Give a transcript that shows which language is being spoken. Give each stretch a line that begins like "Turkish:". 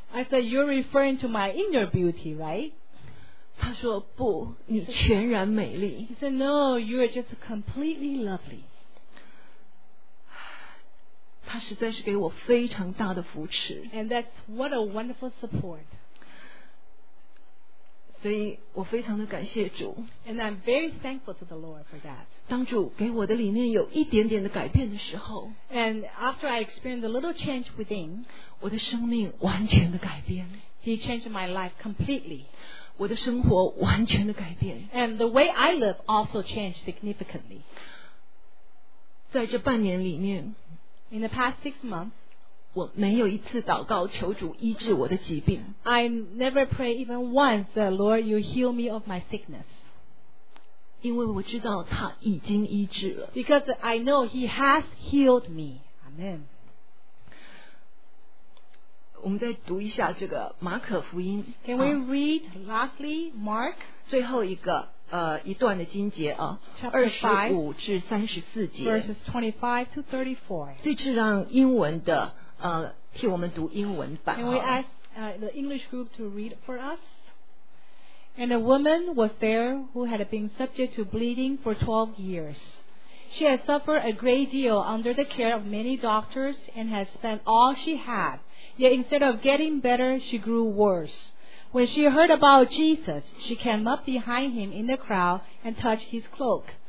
English: ？I said you're referring to my inner beauty, right?
Chinese: 他说不，你全然美丽。
English: He said no, you're just completely lovely.
Chinese: 他实在是给我非常大的扶持。
English: And that's what a wonderful support.
Chinese: 所以我非常的感谢主。
English: And I'm very thankful to the Lord for that.
Chinese: 当主给我的里面有一点点的改变的时候
English: ，And after I experienced a little change within，
Chinese: 我的生命完全的改变。
English: He changed my life completely。
Chinese: 我的生活完全的改变。
English: And the way I live also changed significantly。
Chinese: 在这半年里面
English: ，In the past six months，
Chinese: 我没有一次祷告求主医治我的疾病。
English: I never pray even once that Lord you heal me of my sickness。
Chinese: 因为我知道他已经医治了。
English: Because I know he has healed me. Amen.
Chinese: 我们再读一下这个马可福音。
English: Can we read lastly Mark?
Chinese: 最后一个一段的经节啊，二十五至三十四节。
English: Verses 25 to 34.
Chinese: 这次让英文的替我们读英文版。
English: Can we ask the English group to read for us? And a woman was there who had been subject to bleeding for 12 years. She had suffered a great deal under the care of many doctors and had spent all she had. Yet instead of getting better, she grew worse. When she heard about Jesus, she came up behind him in the crowd and touched his cloak.